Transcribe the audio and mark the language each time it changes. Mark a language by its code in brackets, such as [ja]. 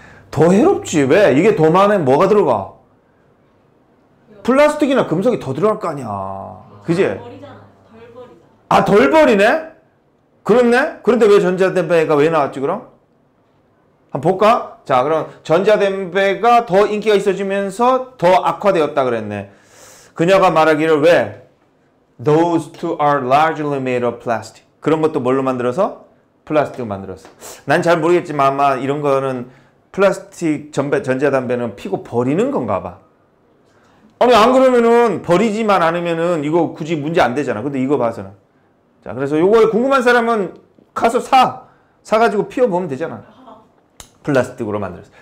[ko] 더 해롭지. 왜? 이게 더 많으면 뭐가 들어가? 플라스틱이나 금속이 더 들어갈 거 아니야. 그지? 덜 버리잖아. 덜 버리잖아. 아, 덜 버리네? 그렇네? 그런데 왜 전자담배가 왜 나왔지 그럼? 한번 볼까? 자, 그럼 전자담배가 더 인기가 있어지면서 더 악화되었다 그랬네. 그녀가 말하기를 왜? [en] Those two are largely made of plastic. [ko] 그런 것도 뭘로 만들어서? 플라스틱 만들어서. 난 잘 모르겠지만 아마 이런 거는 플라스틱 전자담배는 피고 버리는 건가 봐. 아니, 안 그러면은 버리지만 않으면은 이거 굳이 문제 안 되잖아. 근데 이거 봐서는. 자, 그래서 요거에 궁금한 사람은 가서 사. 사가지고 피워보면 되잖아. 플라스틱으로 만들었어.